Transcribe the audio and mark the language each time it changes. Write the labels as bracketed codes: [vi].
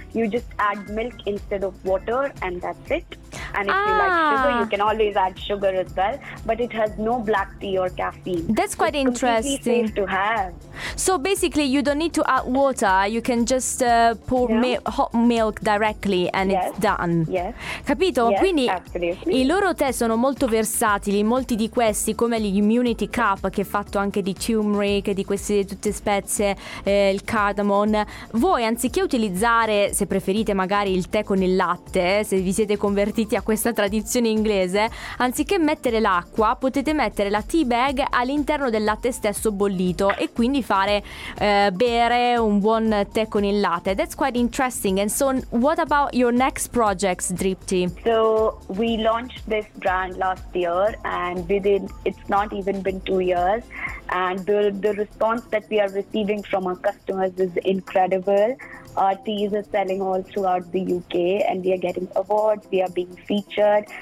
[en] You just add milk instead of water and that's it. And if you like sugar, you can always add sugar as well. But it has no black tea or caffeine. That's quite interesting. It's completely safe to have. So basically, you don't need to add water. You can just pour hot milk directly and it's done. Yes. [it] Capito? [en] Yes, [it] quindi [en] absolutely. [it] I loro tè sono molto versatili. Molti di questi, come l'immunity cup, che è fatto anche di turmeric, di queste tutte spezie, il cardamom. Voi, anziché utilizzare, se preferite magari, il tè con il latte, se vi siete convertiti a questa tradizione inglese, anziché mettere l'acqua, potete mettere la tea bag all'interno del latte stesso bollito e quindi fare bere un buon tè con il latte. [en] That's quite interesting. And so what about your next projects, Deepta? So we launched this brand last year, and within, it's not even been 2 years, and the response that we are receiving from our customers is incredible. Our teas are selling all throughout the UK, and we are getting awards, we are being featured.